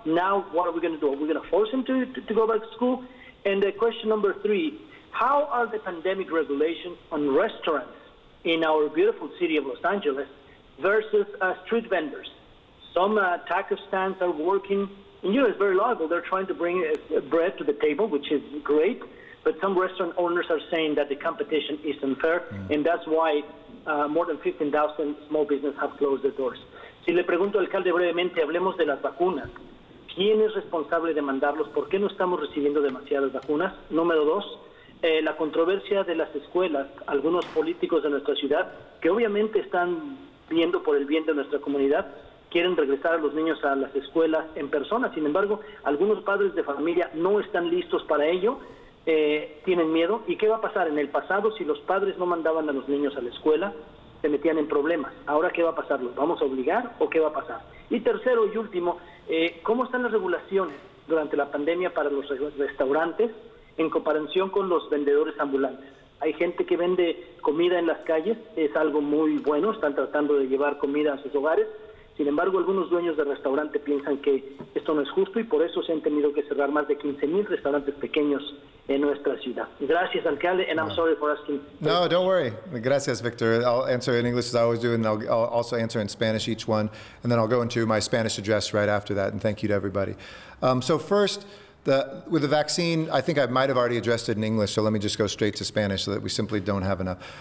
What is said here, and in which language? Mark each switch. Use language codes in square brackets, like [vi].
[en] Now, what are we going to do? Are we going to force him to go back to school? And question number three, how are the pandemic regulations on restaurants in our beautiful city of Los Angeles versus street vendors? Some taco stands are working. And, you know, it's very logical. They're trying to bring bread to the table, which is great. But some restaurant owners are saying that the competition is unfair, and that's why more than 15,000 small businesses have closed their doors. [es] Si le pregunto al alcalde brevemente, hablemos de las vacunas. ¿Quién es responsable de mandarlos? ¿Por qué no estamos recibiendo demasiadas vacunas? Número dos, la controversia de las escuelas, algunos políticos de nuestra ciudad, que obviamente están viendo por el bien de nuestra comunidad, quieren regresar a los niños a las escuelas en persona. Sin embargo, algunos padres de familia no están listos para ello. Tienen miedo. ¿Y qué va a pasar? En el pasado, si los padres no mandaban a los niños a la escuela, se metían en problemas. ¿Ahora qué va a pasar? ¿Los vamos a obligar o qué va a pasar? Y tercero y último, ¿cómo están las regulaciones durante la pandemia para los restaurantes en comparación con los vendedores ambulantes? Hay gente que vende comida en las calles, es algo muy bueno, están tratando de llevar comida a sus hogares. Sin embargo, algunos dueños de restaurante piensan que esto no es justo y por eso se han tenido que cerrar más de 15,000 restaurantes pequeños en nuestra ciudad. Gracias, alcalde, [en] and I'm sorry for asking. No, don't worry. Gracias, Victor. I'll answer in English as I always do, and I'll also answer in Spanish each one, and then I'll go into my Spanish address right after that, and thank you to everybody. So first, with the vaccine, I think I might have already addressed it in English, so let me just go straight to Spanish so that we simply don't have enough.